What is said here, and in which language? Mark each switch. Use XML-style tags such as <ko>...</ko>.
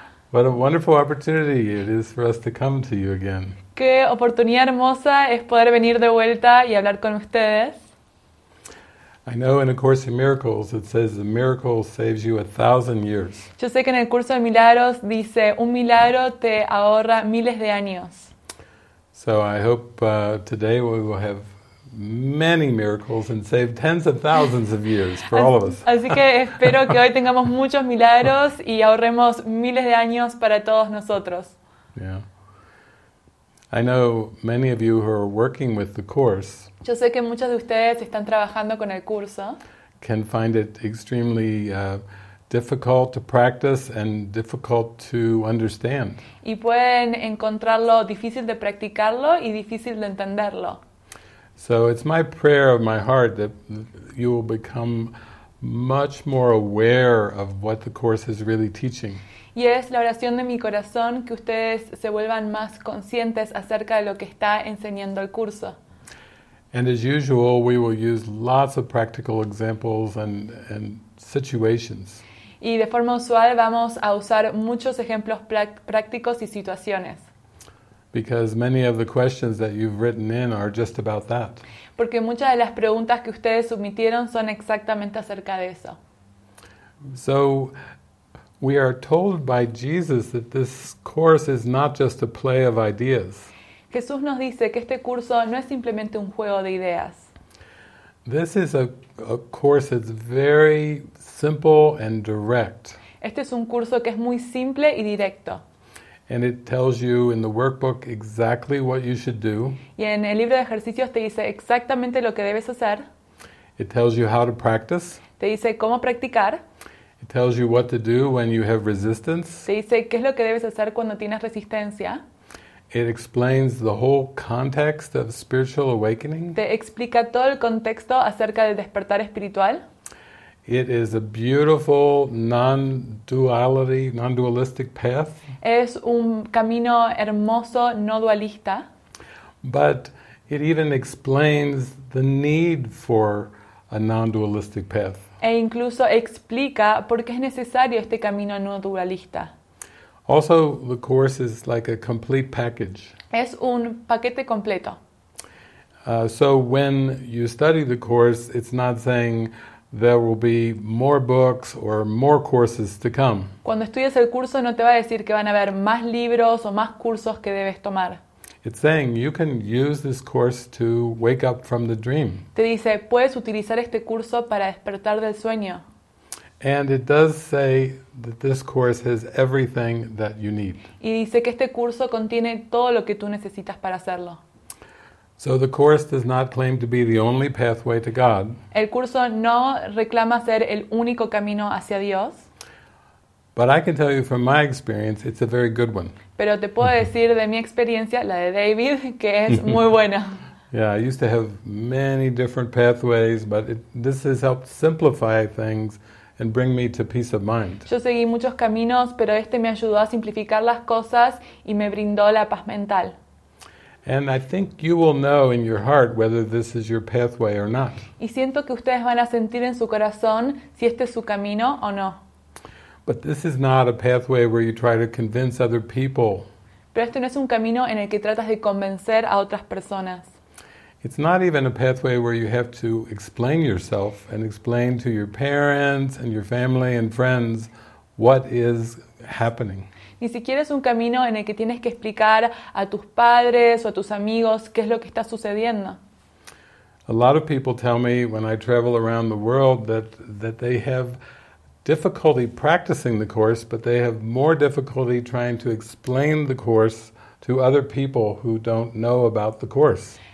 <en>What a wonderful opportunity it is for us to come to you again.</en> <es>Qué oportunidad hermosa es poder venir de vuelta y hablar con ustedes.</es> <en>I know in A Course in Miracles it says a miracle saves you 1,000 years.</en> <es>Yo sé que en el curso de milagros dice un milagro te ahorra miles de años.</es> <en>So I hope today we will have many miracles and save tens of thousands of years for all of us.</en> <es>Así que espero que hoy tengamos muchos milagros y ahorremos miles de años para todos nosotros.</es> <en>Yeah. I know many of you who are working with the course.</en> <es>Yo sé que muchos de ustedes están trabajando con el curso.</es> <en>Can find it extremely difficult to practice and difficult to understand.</en> <es>Y pueden encontrarlo difícil de practicarlo y difícil de entenderlo.</es> <en>So it's my prayer of my heart that you will become much more aware of what the course is really teaching.</en> <es>Y es la oración de mi corazón que ustedes se vuelvan más conscientes acerca de lo que está enseñando el curso.</es> <en>And as usual, we will use lots of practical examples and situations.</en> <es>Y de forma usual vamos a usar muchos ejemplos prácticos y situaciones.</es> <en>Because many of the questions that you've written in are just about that.</en> <es>Porque muchas de las preguntas que ustedes submitieron son exactamente acerca de eso.</es> <en>So, we are told by Jesus that this course is not just a play of ideas.</en> <es>Jesús nos dice que este curso no es simplemente un juego de ideas.</es> <en>This is a course that's very simple and direct.</en> <es>Este es un curso que es muy simple y directo.</es> <en>And it tells you in the workbook exactly what you should do.</en> <es>Y en el libro de ejercicios te dice exactamente lo que debes hacer.</es> <en>It tells you how to practice.</en> <es>Te dice cómo practicar.</es> <en>It tells you what to do when you have resistance.</en> <es>Te dice qué es lo que debes hacer cuando tienes resistencia.</es> <en>It explains the whole context of spiritual awakening.</en> <es>Te explica todo el contexto acerca del despertar espiritual.</es> <en>It is a beautiful non-duality, non-dualistic path.</en> <es>Es un camino hermoso, no dualista.</es> <en>But it even explains the need for a non-dualistic path.</en> <es>E incluso explica por qué es necesario este camino no dualista.</es> <en>Also, the course is like a complete package.</en> <es>Es un paquete completo.</es> <en>So when you study the course, it's not saying there will be more books or more courses to come.</en> <es>Cuando estudias el curso no te va a decir que van a haber más libros o más cursos que debes tomar.</es> <en>It's saying you can use this course to wake up from the dream.</en> <es>Te dice, puedes utilizar este curso para despertar del sueño.</es> <en>And it does say that this course has everything that you need.</en> <es>Y dice que este curso contiene todo lo que tú necesitas para hacerlo.</es> <en>So the course does not claim to be the only pathway to God.</en> <es>El curso no reclama ser el único camino hacia Dios.</es> <en>But I can tell you from my experience, it's a very good one.</en> <es>Pero te puedo decir de mi experiencia, la de David, que es muy buena.</es> <en>Yeah, I used to have many different pathways, but this has helped simplify things and bring me to peace of mind.</en> <es>Yo seguí muchos caminos, pero este me ayudó a simplificar las cosas y me brindó la paz mental.</es> <en>And I think you will know in your heart whether this is your pathway or not.</en> <es>Y siento que ustedes van a sentir en su corazón si este es su camino o no.</es> <en>But this is not a pathway where you try to convince other people.</en> <es>Pero este no es un camino en el que tratas de convencer a otras personas.</es> <en>It's not even a pathway where you have to explain yourself and explain to your parents and your family and friends what is happening.</en> <es>Ni siquiera es un camino en el que tienes que explicar a tus padres o a tus amigos qué es lo que está sucediendo.</es> <en>A lot of people tell me when I travel around the world that they have difficulty practicing the course, but they have more difficulty trying to explain the course to other people who don't know about the course.</en>